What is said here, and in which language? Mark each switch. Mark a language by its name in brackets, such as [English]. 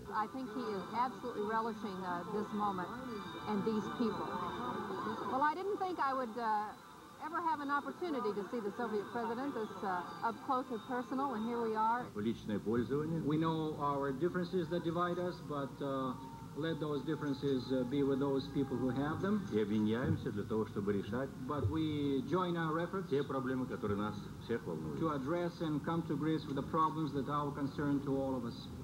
[English] I think he is absolutely relishing this moment and these people. Well, I didn't think I would ever have an opportunity to see the Soviet president this up close and personal, and here we are. We know our differences that divide us, but let those differences be with those people who have them. [Russian] И объединяемся для того, чтобы решать. [English] But we join our efforts. [Russian] Те проблемы, которые нас всех волнуют. [English] To address and come to grips with the problems that are of concern to all of us.